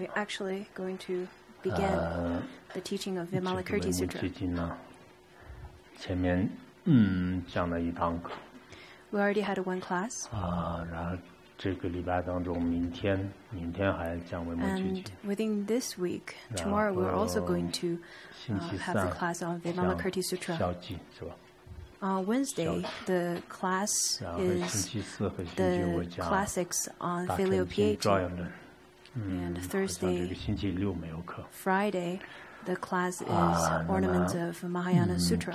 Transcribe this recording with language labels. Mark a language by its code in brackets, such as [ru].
[en] We're actually going to begin the teaching of Vimalakirti Sutra. [zh] 这个维摩诘经呢，前面讲了一堂课。 [en] We already had one class. [zh] 然后这个礼拜当中，明天还要讲维摩诘经。 [en] And within this week, tomorrow we're also going to have the class on Vimalakirti Sutra. [zh] 消记是吧？ [en] On Wednesday, the class is the classics on filial piety. And Thursday, Friday, the class is ornaments of Mahayana Sutra.